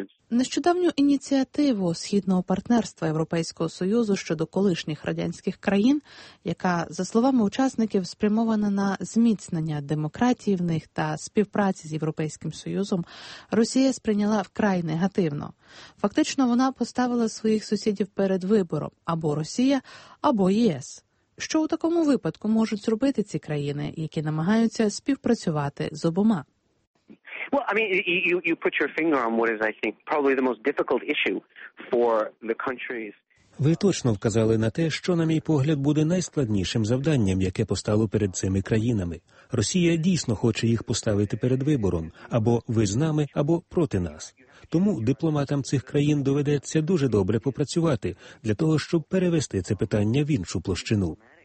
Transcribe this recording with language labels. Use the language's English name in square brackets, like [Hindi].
[Ukrainian] Нещодавню ініціативу Східного партнерства Європейського Союзу щодо колишніх радянських країн, яка, за словами учасників, спрямована на зміцнення демократії в них та співпраці з Європейським Союзом, Росія сприйняла вкрай негативно. Фактично, вона поставила своїх сусідів перед вибором – або Росія, або ЄС. Що у такому випадку можуть зробити ці країни, які намагаються співпрацювати з обома? [English] Well, I mean, you put your finger on what is, I think, probably the most difficult issue for the countries. [Ukrainian] Ви точно вказали на те, що, на мій погляд, буде найскладнішим завданням, яке постало перед цими країнами. Росія дійсно хоче їх поставити перед вибором – або ви з нами, або проти нас. Тому дипломатам цих країн доведеться дуже добре попрацювати для того, щоб перевести це питання в іншу площину.